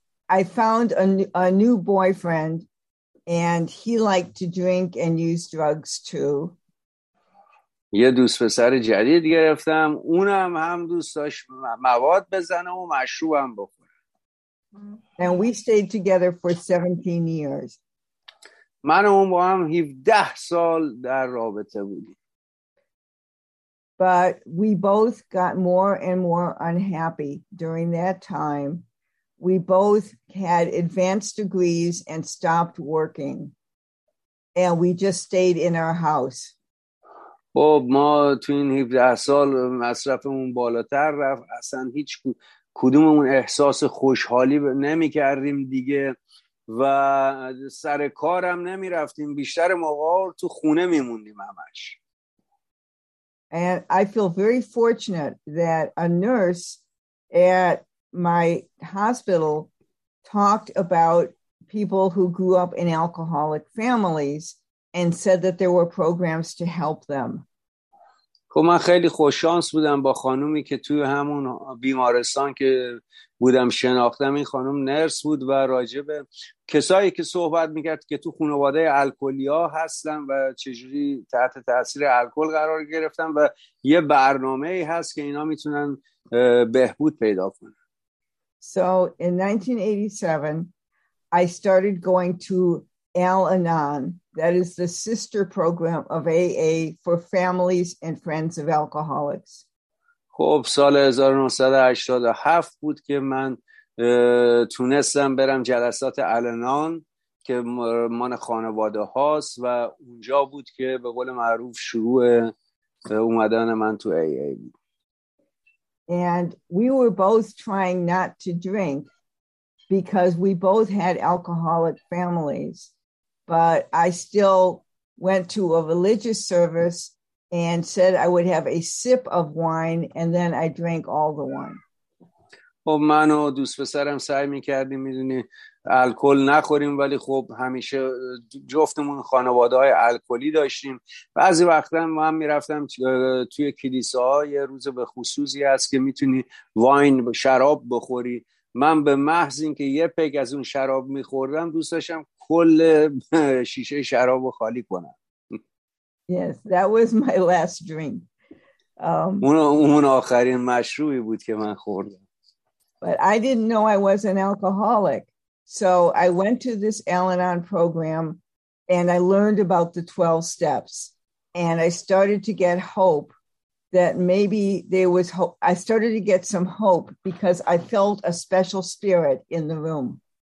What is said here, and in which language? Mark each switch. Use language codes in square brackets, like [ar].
[en] I found a new boyfriend and he liked to drink and use drugs too. [fa] یه دوست پسر جدید گرفتم. اونم هم دوست داشت مواد بزنه و مشروب هم بخوره. [en] And we stayed together for 17 years. [fa] من و اون با هم 17 سال در رابطه بودیم. [en] But we both got more and more unhappy during that time. We both had advanced degrees and stopped working. And we just stayed in our house. [fa] خب ما تو این 17 سال مصرفمون بالاتر رفت. اصلا هیچ کدوممون احساس خوشحالی نمی کردیم دیگه. و سر کارم نمی رفتیم. بیشتر موقع تو خونه می موندیم همش. [en] And I feel very fortunate that a nurse at my hospital talked about people who grew up in alcoholic families and said that there were programs to help them. [fa] خب من خیلی خوششانس بودم با خانومی که توی همون بیمارستان که بودم شناختم. این خانوم نرس بود و راجب کسایی که صحبت میکرد که تو خانواده الکلی ها هستن و چجوری تحت تاثیر الکل قرار گرفتن و یه برنامه ای هست که اینا میتونن بهبود پیدا کنن. [en] So in 1987, I started going to Al-Anon, that is the sister program of AA for families and friends of alcoholics. [fa] خب سال 1987 بود که من تونستم برم جلسات Al-Anon که مان خانواده هاست و اونجا بود که به قول معروف شروع اومدن من تو AA بود. [en] And we were both trying not to drink because we both had alcoholic families, but I still went to a religious service and said I would have a sip of wine and then I drank all the wine. [fa] خب من و دوست پسرم سعی میکردیم میدونی الکل نخوریم ولی خب همیشه جفتمون خانواده های الکلی داشتیم. بعضی وقتا من میرفتم توی کلیسا یه روز به خصوصی هست که میتونی واین شراب بخوری. من به محض اینکه یه پیک از اون شراب میخوردم دوست داشتم کل شیشه شراب رو خالی کنم. [en] Yes, that was my last drink. [fa] اون آخرین مشروبی بود که من خوردم. [en] But I didn't know I was an alcoholic. So I went to this Al-Anon program and I learned about the 12 steps. And I started to get hope that maybe there was hope. I started to get some hope because I felt a special spirit in the room.